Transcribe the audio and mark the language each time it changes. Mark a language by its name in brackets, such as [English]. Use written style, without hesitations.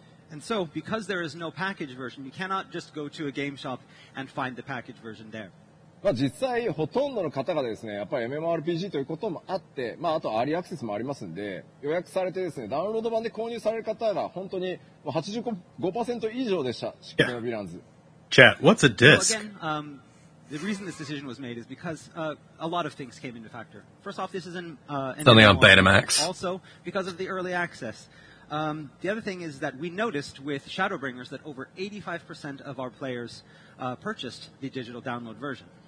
[English] And so, because there is no package version, you cannot just go to a game shop and find the package version there. [Japanese] まあ、実際ほとんどの方がですね、やっぱりMMORPGということもあって、まあ、あとアーリーアクセスもありますんで、予約されてですね、ダウンロード版で購入される方が本当に85%以上でした。シクロビランズ。Chat, [English] what's a disc? So again, the reason this decision was made is because a lot of things came into factor. First off, this is something on Betamax. Also, because of the early access. The other thing is that we noticed with Shadowbringers that over 85% of our players purchased the digital download version.